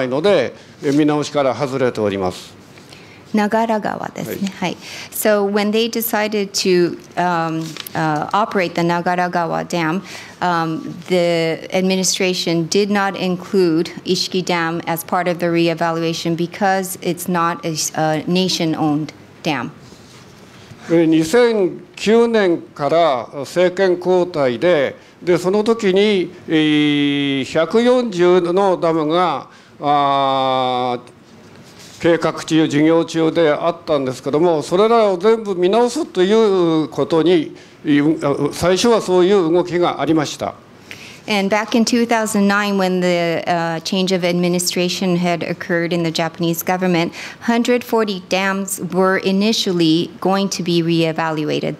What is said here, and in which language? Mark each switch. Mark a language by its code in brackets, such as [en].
[ja] まあ、稼働するしないのかわかんないので、稼働が決まった時点でしばらくしてから、国のダムのですね、見直しは、行った経緯はありますけども、この時も石木ダムは国のダムでないので、見直しから外れております。 Nagaragawa, hi. [en] So when they decided to operate the Nagaragawa Dam, the administration did not include Ishiki Dam as part of the reevaluation because it's not a nation-owned dam. [ja] 2009年から政権交代で、その時に 140のダムが 計画中、事業中であったんですけども、それらを全部見直すということに、最初はそういう動きがありました。 [en] And back in 2009, when the change of administration had occurred in the Japanese government, 140 dams were initially going to be reevaluated.